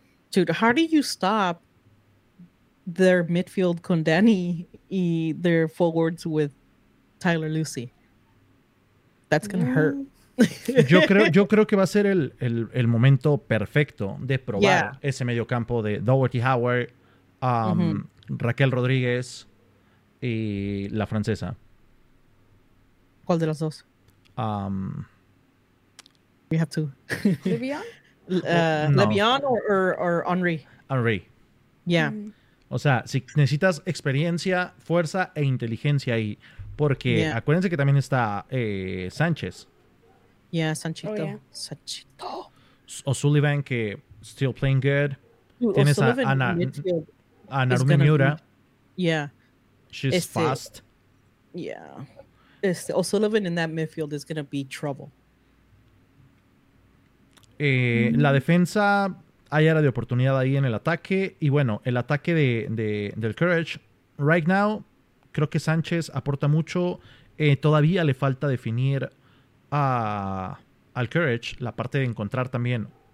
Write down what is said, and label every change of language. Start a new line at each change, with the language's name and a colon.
English: Dude, how do you stop their midfield
Spanish: con
English: Danny y their forwards with Tyler Lucy? That's going to hurt.
Spanish: yo creo que va a ser el momento perfecto de probar ese mediocampo de Doherty Howard. Raquel Rodríguez y la francesa. ¿Cuál de las dos?
English: We have two. Le'Veon? No. Le'Veon or Henry? Henry. Yeah. Mm.
Spanish: O sea, si necesitas experiencia, fuerza e inteligencia ahí. Porque acuérdense que también está Sánchez.
English: Yeah, Sanchito. Oh, yeah. Sanchito. O'Sullivan,
Spanish: que
English: still playing good. Dude,
Spanish: tienes O'Sullivan a Ana. A Narumi Miura.
English: She's fast. Yeah. O'Sullivan in that midfield is going to be trouble.
Spanish: La defensa, hay área de oportunidad ahí en el ataque. Y bueno, el ataque del Courage.
English: Right now,
Spanish: creo que Sánchez aporta mucho. Todavía le falta definir al Courage la parte de encontrar también...